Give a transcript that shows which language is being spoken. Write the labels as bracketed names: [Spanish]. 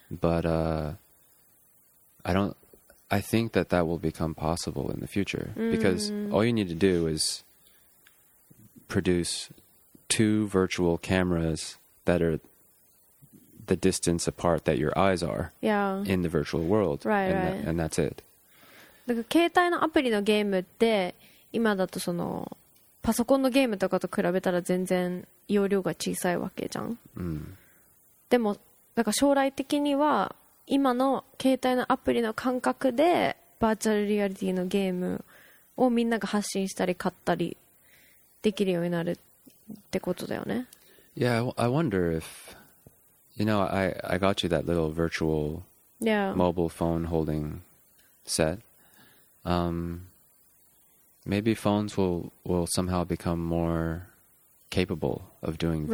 [English] But I think that will become possible in the future because all you need to do is produce two virtual cameras that are. The distance apart that your eyes are in the virtual world, and that's it. [Japanese] だから携帯のアプリのゲームって今だとそのパソコンのゲームとかと比べたら全然容量が小さいわけじゃん。でもだから将来的には今の携帯のアプリの感覚でバーチャルリアリティのゲームをみんなが発信したり買ったりできるようになるってことだよね。 [English] Yeah, I wonder if, you know, I got you that little virtual mobile phone holding set. Maybe phones will somehow become more capable of doing VR.